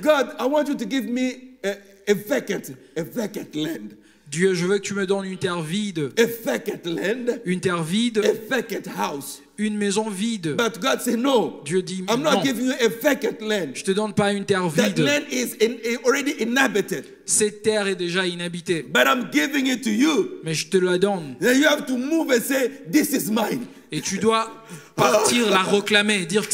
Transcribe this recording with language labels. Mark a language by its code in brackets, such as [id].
[en] God, I want you to give me a vacant land. [fr] Dieu, je veux que tu me donnes une terre vide. [en] A vacant land. [fr] Une terre vide. [en] A vacant house. [fr] Une maison vide. [en] But God said, no. [fr] Dieu dit, [en] I'm not giving you a vacant land. [fr] Je ne te donne pas une terre vide. [en] That land is already inhabited. [fr] Cette terre est déjà inhabitée. [en] But I'm giving it to you. [fr] Mais je te la donne. [en] Then you have to move and say, this is mine. [fr] Et tu dois partir la réclamer, dire que